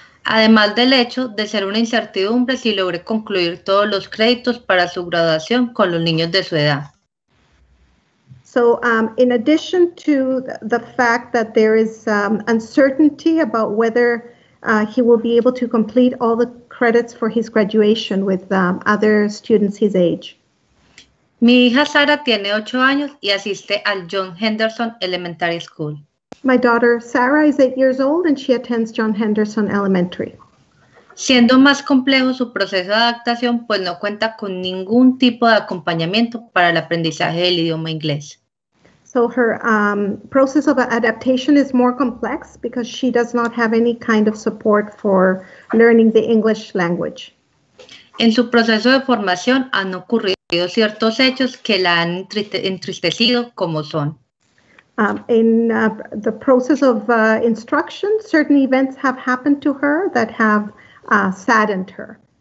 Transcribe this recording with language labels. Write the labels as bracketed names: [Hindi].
[Spanish] Además del hecho de ser una incertidumbre si logre concluir todos los créditos para su graduación con los niños de su edad. [English] So, in addition to the fact that there is uncertainty about whether he will be able to complete all the credits for his graduation with other students his age. [Spanish] Mi hija Sara tiene 8 años y asiste al John Henderson Elementary School. [English] My daughter Sarah is 8 years old and she attends John Henderson Elementary. [Spanish] Siendo más complejo su proceso de adaptación, pues no cuenta con ningún tipo de acompañamiento para el aprendizaje del idioma inglés. [English] So her process of adaptation is more complex because she does not have any kind of support for learning the English language. [Spanish] En su proceso de formación han ocurrido ciertos hechos que la han entristecido como son. [English] In the process of instruction, certain events have happened to her that have saddened her.